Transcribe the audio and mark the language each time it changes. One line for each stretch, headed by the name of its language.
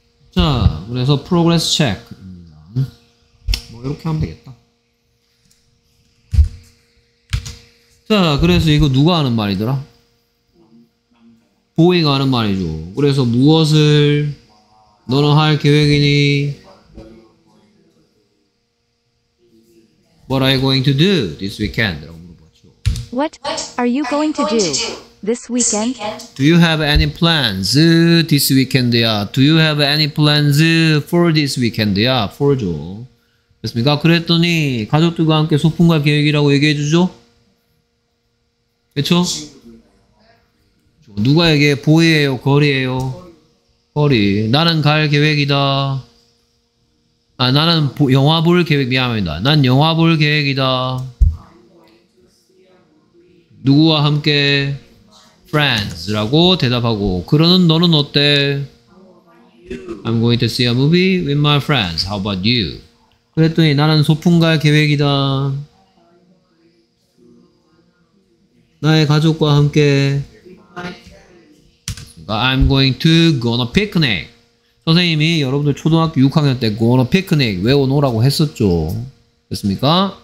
Korean: 자, 그래서 프로그레스 체크입니다. 뭐 이렇게 하면 되겠다. 자, 그래서 이거 누가 하는 말이더라? 보이가 하는 말이죠. 그래서 무엇을 너는 할 계획이니?
English: What are you going to do this weekend? What are you going to do this weekend? Do you have any plans this weekend? Do you have any plans for this weekend?
Korean: For죠. 됐습니까? 그랬더니 가족들과 함께 소풍 갈 계획이라고 얘기해 주죠? 그렇죠? 누가에게 보이에요? 거리에요? 거리. 나는 갈 계획이다. 아, 나는 영화 볼 계획. 미안합니다. 난 영화 볼 계획이다. 누구와 함께? Friends 라고 대답하고. 그러는 너는 어때?
English: I'm going to see a movie with my friends. How about you?
Korean: 그랬더니 나는 소풍 갈 계획이다. 나의 가족과 함께.
English: I'm going to go on a picnic.
Korean: 선생님이 여러분들 초등학교 6학년 때
English: go on a picnic
Korean: 외워놓으라고 했었죠. 됐습니까?